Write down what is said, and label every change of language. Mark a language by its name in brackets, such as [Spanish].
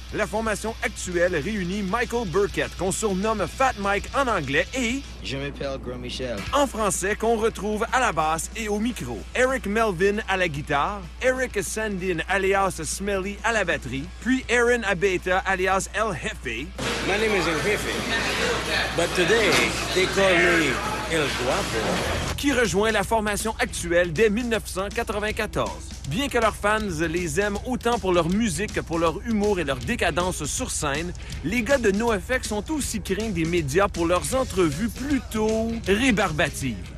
[French] La formation actuelle réunit Michael Burkett, qu'on surnomme Fat Mike en anglais, et... Je m'appelle Grand Michel. En français, qu'on retrouve à la basse et au micro. Eric Melvin à la guitare, Eric Sandin alias Smelly à la batterie, puis Aaron Abeta alias El Jefe. [English] My name is El Jefe, but today they call me... El Guapo. [French] Qui rejoint la formation actuelle dès 1994. Bien que leurs fans les aiment autant pour leur musique que pour leur humour et leur décadence sur scène, les gars de NOFX sont aussi craints des médias pour leurs entrevues plutôt rébarbatives.